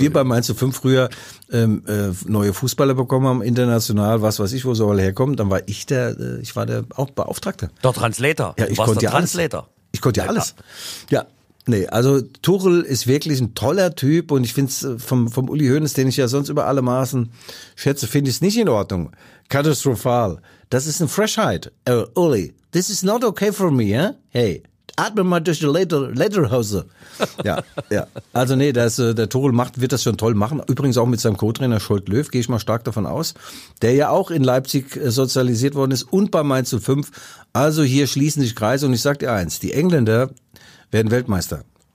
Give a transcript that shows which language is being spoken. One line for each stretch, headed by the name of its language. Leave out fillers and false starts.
German: wir bei Mainz 05 früher neue Fußballer bekommen haben, international, was weiß ich, wo sie alle herkommen, dann war ich der, ich war der auch Beauftragte. Der Translator. Ja, ich konnte ja Translator. Ich konnte ja alles. Ja. Nee, also Tuchel ist wirklich ein toller Typ und ich finde es vom Uli Hoeneß, den ich ja sonst über alle Maßen schätze, finde ich es nicht in Ordnung. Katastrophal. Das ist eine Frechheit.
English: Uli, this is not okay for me, eh?
German: Hey, atme mal durch die Lederhose. Ja, ja. Also nee, der Tuchel wird das schon toll machen. Übrigens auch mit seinem Co-Trainer Scholt Löw, gehe ich mal stark davon aus, der ja auch in Leipzig sozialisiert worden ist und bei Mainz 05. Also hier schließen sich Kreise und ich sag dir eins, die Engländer werden Weltmeister.